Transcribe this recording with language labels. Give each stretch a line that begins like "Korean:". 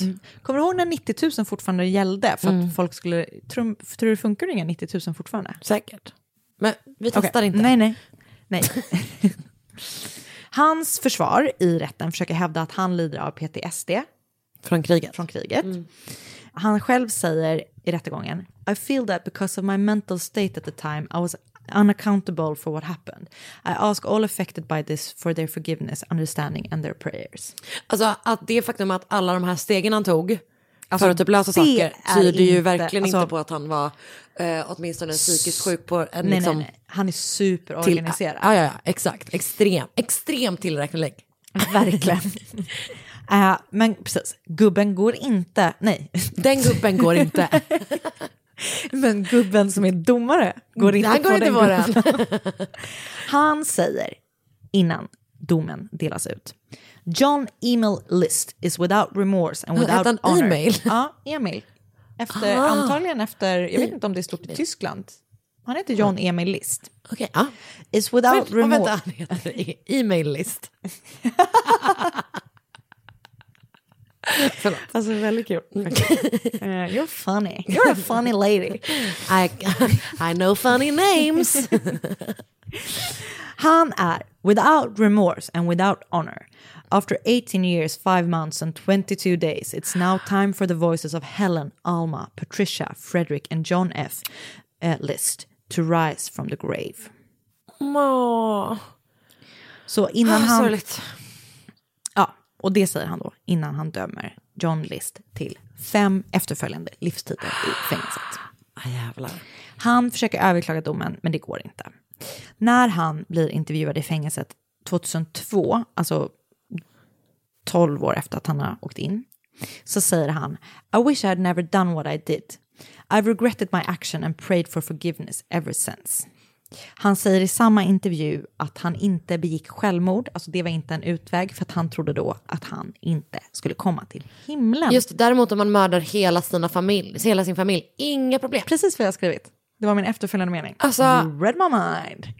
Swedish: Mm. Kommer du ihåg när 90 000 fortfarande gällde? För att folk skulle... Tror du funkar inga 90 000 fortfarande? Säkert. Men vi testar inte. Nej. Hans försvar i rätten försöker hävda att han lider av PTSD. Från kriget. Mm. Han själv säger i rättegången,
English: I feel that because of my mental state at the time I was unaccountable for what happened. I ask all affected by this for their forgiveness, understanding and their prayers.
Swedish: Alltså att det faktum att alla de här stegen han tog för att typ lösa saker tyder ju verkligen inte på att han var åtminstone psykiskt sjuk på en liksom, han är superorganiserad. Ja, exakt. Extrem tillräcklig. Verkligen. Men precis, gubben går inte. Nej, den gubben går inte. Men gubben som är domare går inte går på inte den våran. Gubben. Han säger innan domen delas ut,
English: John Emil List is without remorse and without honor.
Swedish: Emil? Ja, Emil. Antagligen efter, jag vet inte om det är stort i Tyskland. Han heter John Emil List. Okej, okay, ja.
English: Is without remorse.
Swedish: Vänta, han heter Emil List. Förlåt. Alltså, väldigt kul.
English: You're funny. You're a funny lady. I know funny names.
Swedish: Han är
English: without remorse and without honor. After 18 years, 5 months and 22 days, it's now time for the voices of Helen, Alma, Patricia, Frederick and John F. List to rise from the grave.
Swedish: Så innan han... Sorgligt. Ja, och det säger han då innan han dömer John List till 5 efterföljande livstider i fängelset. Jävlar. Han försöker överklaga domen, men det går inte. När han blir intervjuad i fängelset 2002, alltså 12 år efter att han har åkt in, så säger han,
English: I wish I had never done what I did. I've regretted my action and prayed for forgiveness ever since.
Swedish: Han säger i samma intervju att han inte begick självmord, alltså det var inte en utväg, för att han trodde då att han inte skulle komma till himlen. Just det, däremot om man mördar hela sin familj, inga problem. Precis vad jag har skrivit. Det var min efterföljande mening. Alltså,
English: you read my mind.